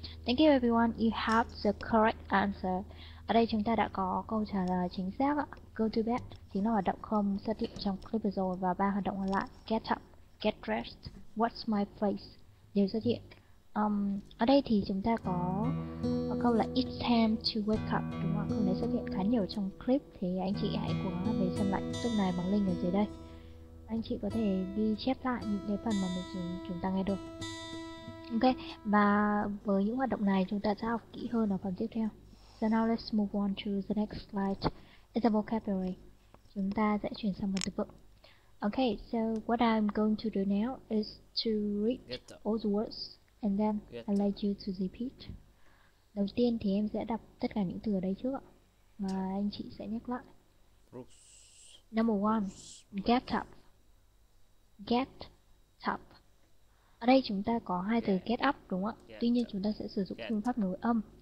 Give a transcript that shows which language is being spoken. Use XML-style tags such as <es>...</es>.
<en>Thank you everyone, you have the correct answer.</en> <vi>Ở đây chúng ta đã có câu trả lời chính xác ạ.</vi> <en>Go to bed</en> <vi>chính là hoạt động không xuất hiện trong clip vừa rồi. Và ba hoạt động còn lại,</vi> <en>get up, get dressed, what's my face,</en> <vi>đều xuất hiện. Ở đây thì chúng ta có câu là</vi> <en>it's time to wake up,</en> <vi>đúng không ạ? Câu này xuất hiện khá nhiều trong clip. Thì anh chị hãy cố gắng về xem lại lúc này bằng link ở dưới đây. Anh chị có thể ghi chép lại những cái phần mà chúng ta nghe được. Ok, và với những hoạt động này chúng ta sẽ học kỹ hơn ở phần tiếp theo.</vi> <en>So now let's move on to the next slide. It's a vocabulary.</en> <vi>Chúng ta sẽ chuyển sang phần từ vựng.</vi> <en>Ok, so what I'm going to do now is to read all the words and then I'll let you to repeat.</en> <vi>Đầu tiên thì em sẽ đọc tất cả những từ ở đây trước ạ. Và anh chị sẽ nhắc lại.</vi> <en>Number one, get up. Get up.</en> <vi>Ở đây chúng ta có hai từ</vi> <en>get up</en> <vi>đúng không ạ? Tuy nhiên chúng ta sẽ sử dụng phương pháp nối âm.</vi>